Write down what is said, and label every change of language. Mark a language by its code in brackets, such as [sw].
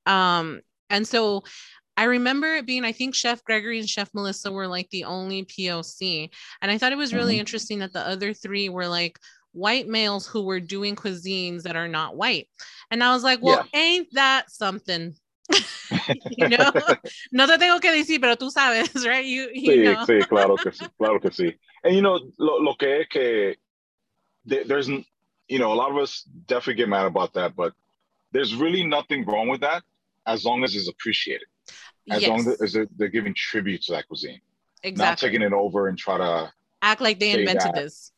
[en] And so I remember it being, I think Chef Gregory and Chef Melissa were like the only POC. And I thought it was really interesting that the other three were like white males who were doing cuisines that are not white. And I was like, well, ain't that something? You know, [es] no te tengo que decir, pero tú sabes, right? Sí, claro que sí, claro que sí. [en] And you know, [es] lo que es que [en] there's, you know, a lot of us definitely get mad about that, but there's really nothing wrong with that as long as it's appreciated. Long as they're giving tribute to that cuisine. Exactly. Not taking it over and try to act like they invented this.